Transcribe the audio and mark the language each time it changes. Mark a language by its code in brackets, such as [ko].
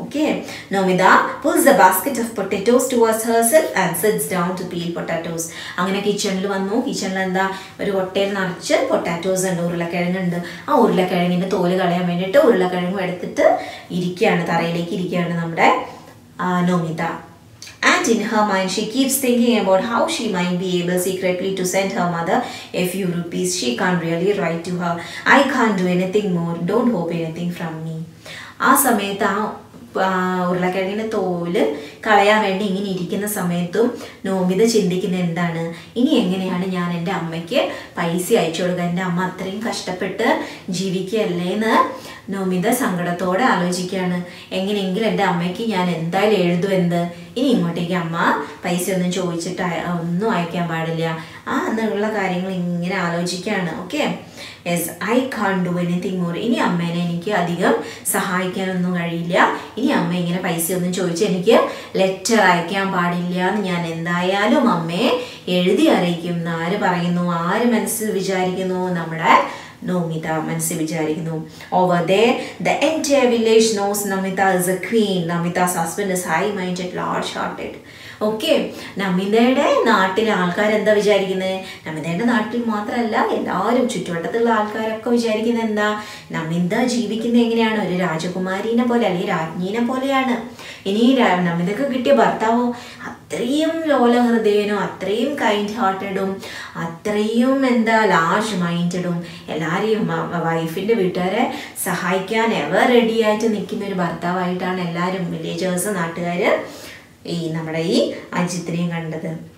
[en] Okay, Nomita pulls the basket of potatoes towards herself and sits down to peel potatoes. [ml] അങ്ങനെ കിച്ചണിൽ വന്നു, കിച്ചണിൽ എന്താ ഒരു ഒട്ടയിൽ നിറച്ച് പൊട്ടാറ്റോസ് ഉണ്ട്, ഉരുളക്കിഴങ്ങുണ്ട്. ആ ഉരുളക്കിഴങ്ങിൻ്റെ തോല് കളയാൻ വേണ്ടിയിട്ട് ഉരുളക്കിഴങ്ങ് എടുത്തിട്ട് ഇരിക്കുകയാണ്, തറയിലേക്ക് ഇരിക്കുകയാണ് നമ്മുടെ Nomita. [en] And in her mind, she keeps thinking about how she might be able secretly to send her mother a few rupees. She can't really write to her. I can't do anything more. Don't hope anything from me. [ml] ആ സമയത്ത് ആ ഉരുളക്കിഴങ്ങിൻ്റെ തോല് കളയാൻ വേണ്ടി ഇങ്ങനെ ഇരിക്കുന്ന സമയത്തും നോമിത ചിന്തിക്കുന്ന എന്താണ്, ഇനി എങ്ങനെയാണ് ഞാൻ എൻ്റെ അമ്മയ്ക്ക് പൈസ അയച്ചു കൊടുക്കുക, എൻ്റെ അമ്മ അത്രയും കഷ്ടപ്പെട്ട് ജീവിക്കുകയല്ലേന്ന് നോമിത സങ്കടത്തോടെ ആലോചിക്കുകയാണ്. എങ്ങനെയെങ്കിലും എൻ്റെ അമ്മയ്ക്ക് ഞാൻ എന്തായാലും എഴുതും, എന്ത് ഇനി ഇങ്ങോട്ടേക്ക് അമ്മ പൈസയൊന്നും ചോദിച്ചിട്ട് ഒന്നും അയക്കാൻ പാടില്ല, എന്നുള്ള കാര്യങ്ങൾ ഇങ്ങനെ ആലോചിക്കുകയാണ്. Okay, [en] yes I can't do anything more, [ml] ഇനി അമ്മേനെ എനിക്ക് അധികം സഹായിക്കാനൊന്നും കഴിയില്ല, ഇനി അമ്മ ഇങ്ങനെ പൈസയൊന്നും ചോദിച്ച് എനിക്ക് ലെറ്റർ അയക്കാൻ പാടില്ല എന്ന് ഞാൻ എന്തായാലും അമ്മയെ എഴുതി അറിയിക്കും എന്ന് ആര് പറയുന്നു, ആര് മനസ്സിൽ വിചാരിക്കുന്നു, നമ്മുടെ Nomitha മനസ്സിൽ വിചാരിക്കുന്നു. [en] Over there, the entire village knows Nomitha is a queen. Nomitha's husband is high-minded, large-hearted. [ml] Okay, നമിതയുടെ നാട്ടിലെ ആൾക്കാർ എന്താ വിചാരിക്കുന്നത്? നമിതയുടെ നാട്ടിൽ മാത്രമല്ല, എല്ലാവരും ചുറ്റുവട്ടത്തുള്ള ആൾക്കാരൊക്കെ വിചാരിക്കുന്നത് എന്താ, നമിത ജീവിക്കുന്നത് എങ്ങനെയാണ്? ഒരു രാജകുമാരീനെ പോലെ അല്ലെങ്കിൽ രാജ്ഞീനെ പോലെയാണ്. ഇനി നമിതക്ക് കിട്ടിയ ഭർത്താവോ അത്രയും ലോലഹൃദയനും അത്രയും കൈൻഡ് ഹാർട്ടഡും അത്രയും എന്താ ലാർജ് മൈൻഡും എല്ലാവരെയും വൈഫിൻ്റെ വീട്ടുകാരെ സഹായിക്കാൻ എവർ റെഡിയായിട്ട് നിൽക്കുന്ന ഒരു ഭർത്താവായിട്ടാണ് എല്ലാവരും വില്ലേജേഴ്സ് നാട്ടുകാർ ഈ നമ്മുടെ ഈ അജിത്തിനെയും കണ്ടത്.